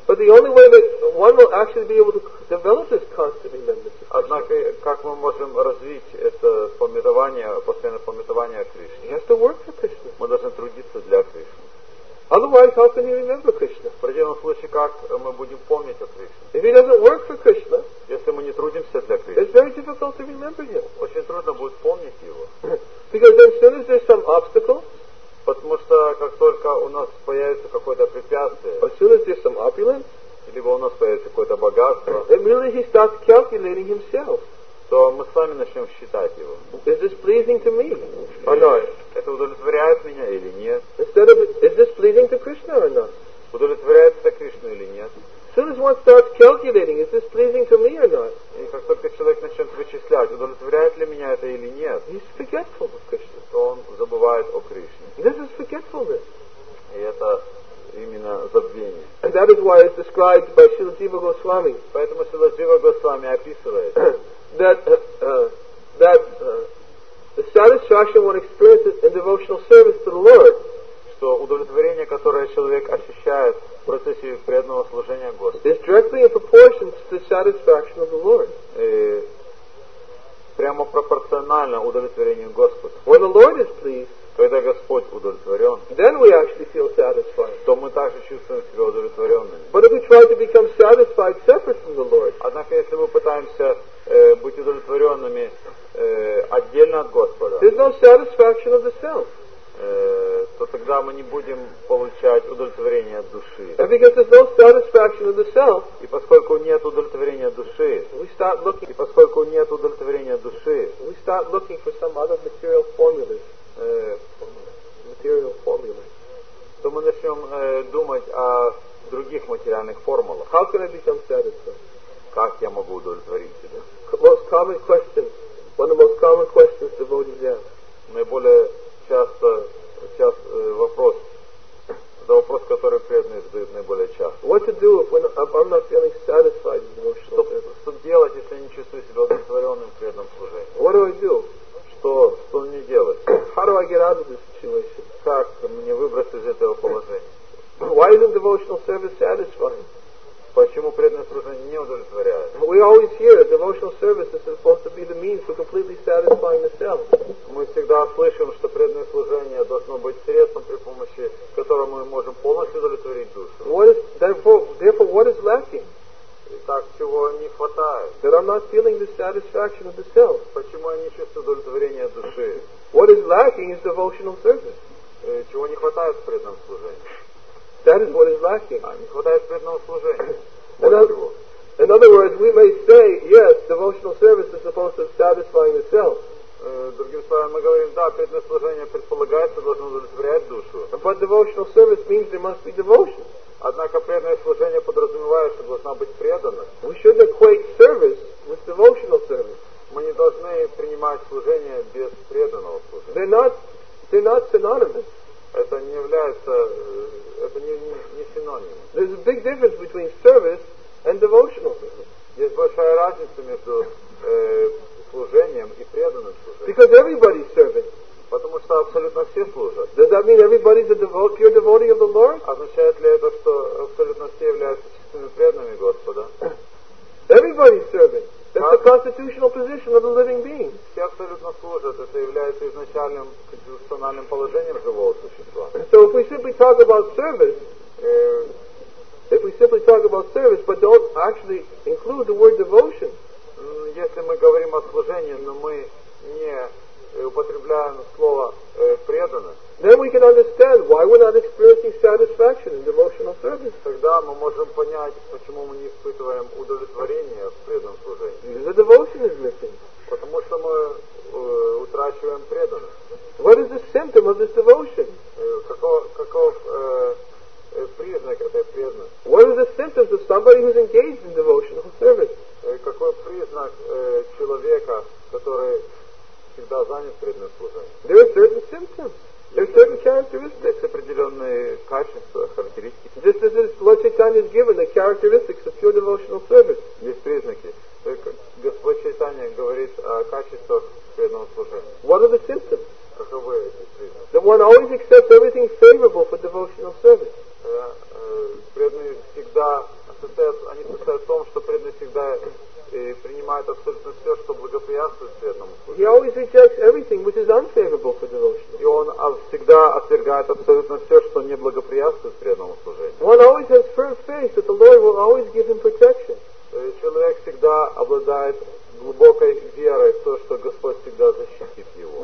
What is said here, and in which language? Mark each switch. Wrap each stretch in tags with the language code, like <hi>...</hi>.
<en>But the only way that one will actually be able to develop this constant remembrance.</en> <ru>Однако, как мы можем развить это памятование, постоянное памятование о Кришне?</ru> <en>He has to work for Krishna.</en> <ru>Мы должны трудиться для Кришны.</ru> <en>Otherwise, how can he remember Krishna?</en> <ru>В противном случае, как мы будем помнить о Кришне?</ru> <en>If he doesn't work for Krishna,</en> <ru>если мы не трудимся для Кришны,</ru> <en>it's very difficult to remember him.</en> <ru>Очень трудно будет помнить его.</ru> <en>Because then, as soon as there's some obstacle,</en> <ru>потому что как только у нас появится какое-то препятствие,</ru> <en>as soon as there's some opulence,</en> <ru>либо у нас появится какое-то богатство,</ru> <en>then really he starts calculating himself.</en> <ru>То мы с вами начнем считать его.</ru> <en>Is this pleasing to me? Or not?</en> <ru>Это удовлетворяет меня или нет?</ru> <en>Instead of, is this pleasing to Krishna or not?</en> <ru>Удовлетворяет это Кришну или нет?</ru> <en>As soon as one starts calculating, is this pleasing to me or not?</en> <ru>И как только человек начнет вычислять, удовлетворяет ли меня это или нет?</ru> <en>He's forgetful of Krishna.</en> <ru>То он забывает о Кришне.</ru> <en>This is forgetfulness.</en> <ru>И это именно забвение.</ru> <en>And that is why it's described by Śrīla Jīva Gosvāmī.</en> <ru>Поэтому Śrīla Jīva Gosvāmī описывает.</ru> <en>The satisfaction one experiences in devotional service to the Lord,</en> <ru>что удовлетворение, которое человек ощущает в процессе преданного служения Господу,</ru> <en>is directly in proportion to the satisfaction of the Lord.</en> <ru>Прямо пропорционально удовлетворению Господу.</ru> <en>When the Lord is pleased,</en> <ru>когда Господь удовлетворен,</ru> <en>then we actually feel satisfied.</en> <ru>То мы также чувствуем себя удовлетворенными.</ru> <en>But if we try to become satisfied separate from the Lord,</en> <ru>однако если мы пытаемся быть удовлетворенными отдельно от Господа,</ru> <en>there's no satisfaction of the self.</en> <ru>То тогда мы не будем получать удовлетворение от души.</ru> <en>And because there's no satisfaction of the self,</en> <ru>и поскольку нет удовлетворения души,</ru> <en>we start looking.</en> <ru>И поскольку нет удовлетворения души,</ru> <en>we start looking for some other material formula. Material formula.</en> <ru>То мы начнем думать о других материальных формулах.</ru> <en>How can I become satisfied?</en> <ru>Как я могу удовлетворить себя?</ru> <en>Most common question, one of the most common questions devotees ask.</en> <ru>Наиболее часто вопрос, это вопрос, который преданные задают наиболее часто.</ru> <en>What to do if I'm not feeling satisfied in devotional service?</en> <ru>Что делать, если я не чувствую себя удовлетворенным в преданном служении?</ru> <en>What do I do?</en> <ru>Что мне делать?</ru> <en>How do I get out of this situation?</en> <ru>Как мне выбраться из этого положения?</ru> <en>Why isn't devotional service satisfying?</en> <ru>Почему преданное служение не удовлетворяет?</ru> <en>We always hear that devotional service is supposed to be the means for completely satisfying the self.</en> <ru>Мы всегда слышим, что преданное служение должно быть средством, при помощи которого мы можем полностью удовлетворить душу.</ru> <en>Therefore, what is lacking?</en> <ru>Итак, чего не хватает?</ru> <en>That I'm not feeling the satisfaction of the self.</en> <ru>Почему я не чувствую удовлетворения от души?</ru> <en>What is lacking is devotional service.</en> <ru>Чего не хватает в преданном служении?</ru> <en>That is what is lacking.</en> <ru>Не хватает преданного служения.</ru> <en>In other words, we may say, yes, devotional service is supposed to satisfy the self.</en> <ru>Другими словами, мы говорим, да, преданное служение предполагается, должно удовлетворять душу.</ru> <en>But devotional service means there must be devotion.</en> <ru>Однако преданное служение подразумевает, что должна быть преданность.</ru> <en>We shouldn't equate service with devotional service.</en> <ru>Мы не должны принимать служение без преданного служения.</ru> <en>They're not synonymous.</en> <ru>Это не является не синоним.</ru> <en>There's a big difference between service and devotional service.</en> <ru>Есть большая разница между служением и преданным служением.</ru> <en>Because everybody's serving.</en> <ru>Потому что абсолютно все служат.</ru> <en>Does that mean everybody's a pure devotee of the Lord?</en> <ru>Означает ли это, что абсолютно все являются чистыми преданными Господа?</ru> <en>Everybody's serving. That's the constitutional position of the living being.</en> <ru>Все абсолютно служат. этот, это является изначальным конституциональным положением живого существа.</ru> <en>So if we simply talk about service, if we simply talk about service, but don't actually include the word devotion,</en> <ru>если мы говорим о служении, но мы не употребляем слово преданность,</ru> <en>then we can understand why we're not experiencing satisfaction in devotional service.</en> <ru>Тогда мы можем понять, почему мы не испытываем удовлетворение в преданном служении.</ru> <en>Because the devotion is missing.</en> <ru>Потому что мы утрачиваем преданность.</ru> <en>What is the symptom of this devotion?</en> <ru>Каков признак этой преданности?</ru> <en>What are the symptoms of somebody who's engaged in devotional service?</en> <ru>Какой признак человека, который всегда занят преданным служением?</ru> <en>There are certain symptoms. There are certain characteristics.</en> <ru>Определенные качества, характеристики.</ru> <en>This is what Lord Chaitanya has given, the characteristics of pure devotional service.</en> <ru>Есть признаки. Господь Чайтанья говорит о качествах преданного служения.</ru> <en>What are the symptoms?</en> <ru>Каковы эти признаки?</ru> <en>That one always accepts everything favorable for devotional service.</en> <ru>Преданные всегда состоят, они состоят в том, что преданные всегда принимают абсолютно все, что благоприятствует преданному служению.</ru> <en>He always rejects everything which is unfavorable for devotion.</en> <ru>И он всегда отвергает абсолютно все, что не благоприятствует преданному служению.</ru> <en>One always has firm faith that the Lord will always give him protection.</en> <ru>Человек всегда обладает глубокой верой в то, что Господь всегда защитит его.</ru>